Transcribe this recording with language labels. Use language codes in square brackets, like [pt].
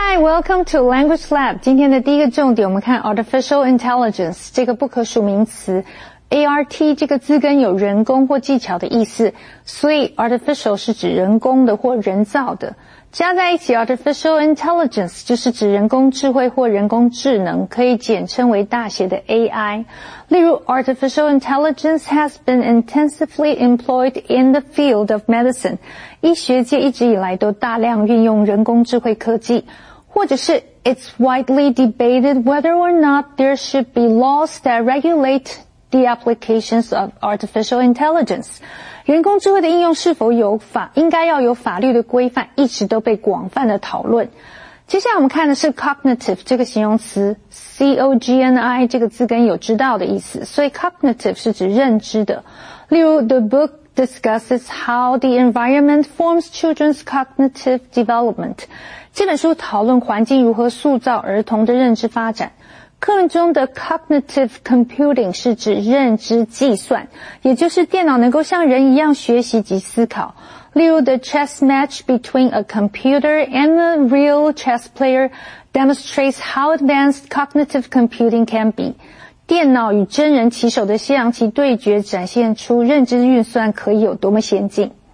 [en] Welcome to Language Lab. [zh] 今天的第一个重点，我们看 Artificial Intelligence 这个不可数名词 ，ART 这个字根有人工或技巧的意思，所以 Artificial 是指人工的或人造的。加在一起 ，Artificial Intelligence 就是指人工智慧或人工智能，可以简称为大写的 AI。例如 [en] ，Artificial Intelligence has been intensively employed in the field of medicine。 [zh] 医学界一直以来都大量运用人工智慧科技。或者是 [en] It's widely debated whether or not there should be laws that regulate the applications of artificial intelligence. [zh] 人工智慧的应用是否有法应该要有法律的规范一直都被广泛的讨论。接下来我们看的是 cognitive 这个形容词 ,C-O-G-N-I 这个字根有知道的意思。所以 cognitive 是指认知的。例如 [en] ,the book discusses how the environment forms children's cognitive development. [zh] 这本书讨论环境如何塑造儿童的认知发展。课文中的 cognitive computing 是指认知计算，也就是电脑能够像人一样学习及思考。例如 [en] ,the chess match between a computer and a real chess player demonstrates how advanced cognitive computing can be. [zh] 电脑与真人棋手的西洋棋对决展现出认知运算可以有多么先进。